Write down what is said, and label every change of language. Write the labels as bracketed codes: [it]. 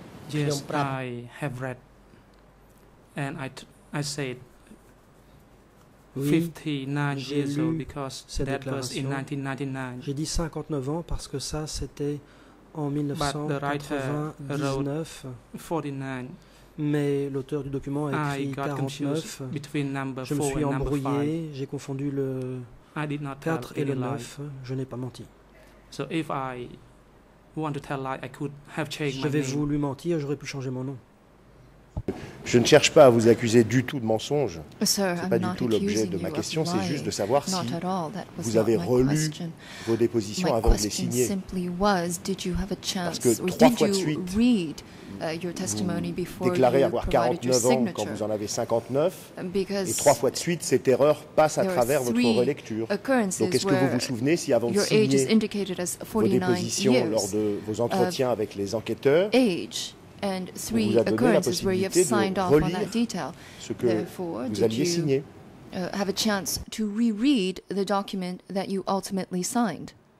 [en] Yes, I have read, and I said 59 years old because that was in 1999. [fr] J'ai dit 59 ans parce que ça c'était en 1999. 49. Mais l'auteur du document a écrit 49. Je me suis embrouillé, j'ai confondu le 4 et le 9. Je n'ai pas menti. [en] So if I want to tell lie, I could have changed. [fr] Si j'avais voulu mentir, j'aurais pu changer mon nom. Je ne cherche pas à vous accuser du tout de mensonge. Ce n'est pas du tout l'objet de ma question, c'est juste de savoir si vous avez relu vos dépositions avant de les signer. Parce que trois fois de suite, vous déclarez avoir 49 ans quand vous en avez 59, et trois fois de suite, cette erreur passe à travers votre relecture. Donc est-ce que vous vous souvenez si avant de signer vos dépositions lors de vos entretiens avec les enquêteurs, [en] and three occurrences where you have signed off on that detail. Therefore, did you have a chance to reread the document that you ultimately signed?